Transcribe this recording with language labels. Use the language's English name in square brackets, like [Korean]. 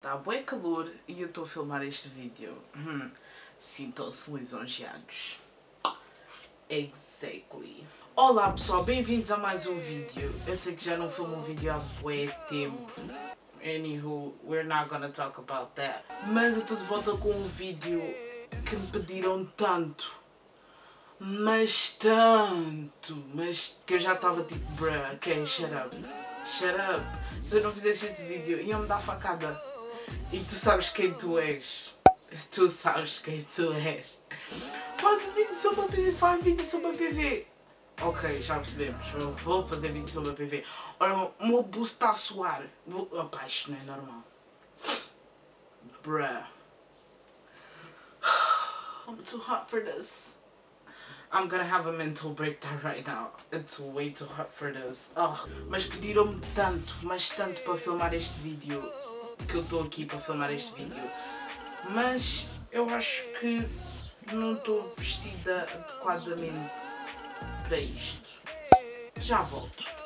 [Portuguese] Está bué calor e eu estou a filmar este vídeo. Sintam-se lisonjeados. [English] Exactly. [Portuguese] Olá pessoal, bem-vindos a mais um vídeo. Eu sei que já não filmo um vídeo há bué tempo. [English] Anywho, we're not gonna talk about that. [Portuguese] Mas eu estou de volta com um vídeo que me pediram tanto. Mas tanto. Mas que eu já estava tipo, bruh, [English] okay, shut up. Shut up. [Portuguese] Se eu não fizesse este vídeo, iam-me dar facada. E tu sabes quem tu és. Tu sabes quem tu és. Faz vídeo sobre a PV. Faz vídeo sobre a PV. Ok, já percebemos. Vou fazer vídeo sobre a PV. Olha, o meu bus está a suar. Opa, isto não é normal. Bruh. [English] I'm too hot for this. I'm gonna have a mental breakdown right now. It's way too hot for this. Oh. [Portuguese] Mas pediram-me tanto, mas tanto para filmar este vídeo. Que eu estou aqui para filmar este vídeo, mas eu acho que não estou vestida adequadamente para isto. Já volto.